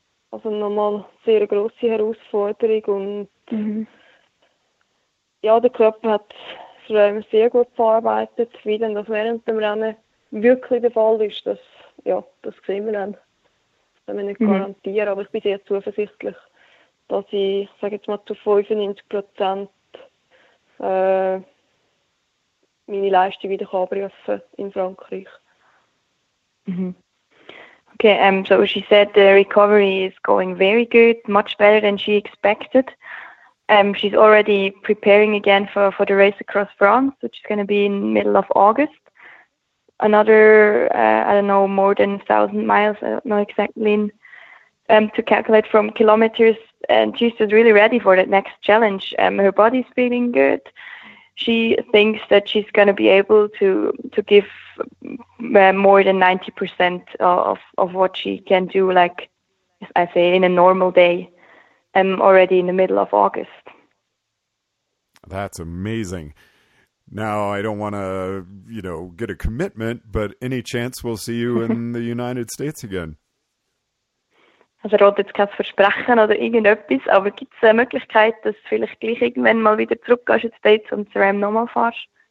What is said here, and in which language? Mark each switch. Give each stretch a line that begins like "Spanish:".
German: Also nochmal eine sehr grosse Herausforderung und ja, der Körper hat das Rennen sehr gut verarbeitet, wie denn das während dem Rennen wirklich der Fall ist, das, ja, das sehen wir dann. Das kann man nicht garantieren, aber ich bin sehr zuversichtlich, dass ich, sage jetzt mal, zu 95% meine Leistung wieder abrufen in Frankreich.
English: Okay, so she said the recovery is going very good, much better than she expected. She's already preparing again for the race across France, which is going to be in middle of August. Another, I don't know, more than 1,000 miles, I don't know exactly, to calculate from kilometers. And she's just really ready for that next challenge. Her body's feeling good. She thinks that she's going to be able to give more than 90% of what she can do, like I say, in a normal day, already in the middle of August. That's amazing. Now, I don't want to, you know, get a commitment, but any chance we'll see you in the United States again?
German: Also, ich rate jetzt kein Versprechen oder irgendetwas, aber gibt es eine Möglichkeit, dass du vielleicht gleich irgendwann mal wieder zurückgehst in die States und zu Ram nochmal fährst?